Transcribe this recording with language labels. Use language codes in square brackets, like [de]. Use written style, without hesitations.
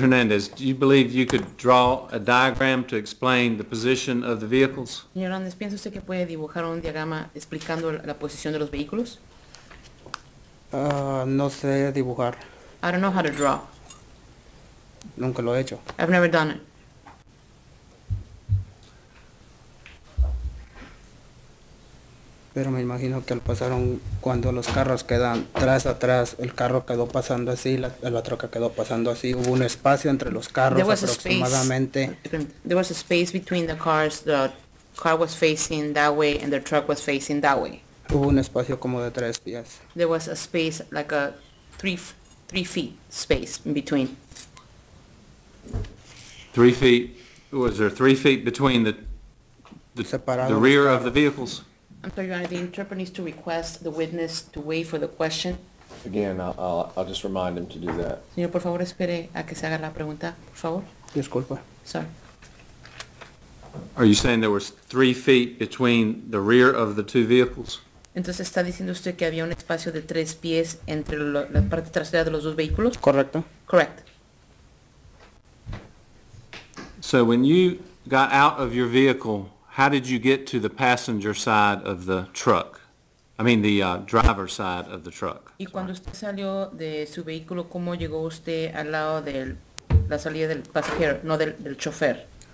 [en] Hernandez, do you believe you could draw a diagram to explain the position of the vehicles? [es] Señor Hernandez, ¿piensa usted que puede dibujar un diagrama explicando la posición de los vehículos? No sé dibujar. [en] I don't know how to draw. [es] Nunca lo he hecho. [en] I've never done it. [es] Pero me imagino que al pasaron cuando los carros quedan tras atrás, el carro quedó pasando así, la troca quedó pasando así, hubo un espacio entre los carros aproximadamente. [en] There was a space between the cars, the car was facing that way and the truck was facing that way. [es] Hubo un espacio como de tres pies. [en] There was a space like a three feet space in between. 3 feet, was there 3 feet between the rear of the vehicles? I'm sorry, Your Honor, the interpreter needs to request the witness to wait for the question. Again, I'll just remind him to do that. [es] Señor, por favor, espere a que se haga la pregunta, por favor. Disculpa. [en] Sorry. Are you saying there was 3 feet between the rear of the two vehicles? [es] Entonces, ¿está diciendo usted que había un espacio de tres pies entre la parte trasera de los dos vehículos? Correcto. [en] Correct. So when you got out of your vehicle, how did you get to the passenger side of the truck? I mean, the driver's side of the truck. [es] Y cuando usted salió de su vehículo, ¿cómo llegó usted al lado de la salida del pasajero, no del chofer?